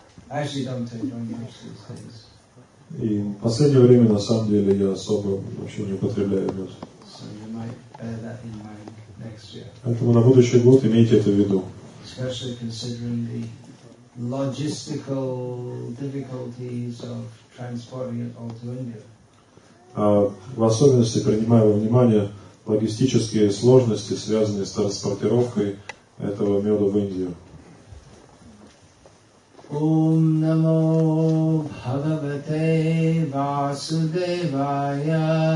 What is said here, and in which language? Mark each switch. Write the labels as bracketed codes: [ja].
[en] Actually, don't take on much these days. [ru] И в последнее время, на самом деле, я особо вообще не употребляю мед. [en] So you might bear that in mind next year. [ru] Поэтому на будущий год имейте это в виду. [en] Especially considering the logistical difficulties of transporting it all to India. [ru] В особенности принимая во внимание логистические сложности, связанные с транспортировкой этого меда в Индию. [sa] Ом намо Бхагавате Васудевая.